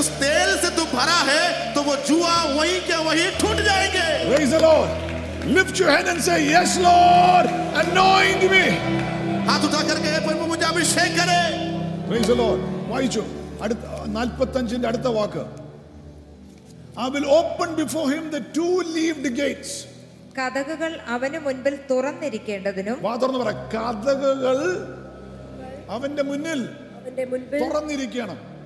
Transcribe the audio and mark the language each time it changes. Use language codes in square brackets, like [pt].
[hi] उस तेल से तू भरा है तो वो जुआ वही के वही टूट जाएंगे. [en] Praise the Lord. Lift your hand and say, yes, Lord, anoint me. [hi] हाथ उठा करके प्रभु मुझे अभिषेक करे. [en] Praise the Lord. [ml] വായിച്ചു 45-ന്റെ അടുത്ത വാക്ക്. [en] I will open before him the two-leaved gates. [ml] കതകുകൾ അവനു മുൻപിൽ തുറന്നിരിക്കേണ്ടതിനും. വാതുറന്നു പറ. കതകുകൾ അവന്റെ മുന്നിൽ തുറന്നിരിക്കണം.